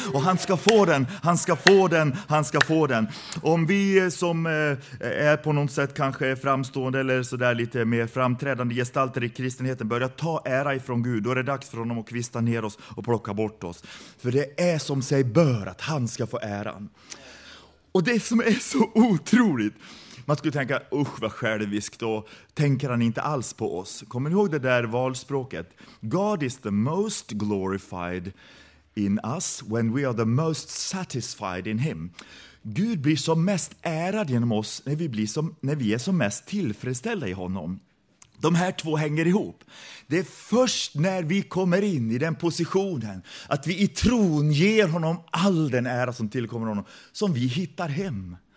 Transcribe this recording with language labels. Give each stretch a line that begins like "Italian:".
Swedish: Och han ska få den, han ska få den, han ska få den. Om vi som är på något sätt kanske framstående eller så där lite mer framträdande gestalter i kristenheten börjar ta ära ifrån Gud, då är det dags för honom att kvista ner oss och plocka bort oss. För det är som sig bör att han ska få äran. Och det som är så otroligt, man skulle tänka, usch vad själviskt, då tänker han inte alls på oss. Kommer ni ihåg det där valspråket?
English: God is the most glorified in us when we are the most satisfied in him.
Swedish: Gud blir som mest ärad genom oss när vi är som mest tillfredsställda i honom. De här två hänger ihop. Det är först när vi kommer in i den positionen att vi i tron ger honom all den ära som tillkommer honom, som vi hittar hem.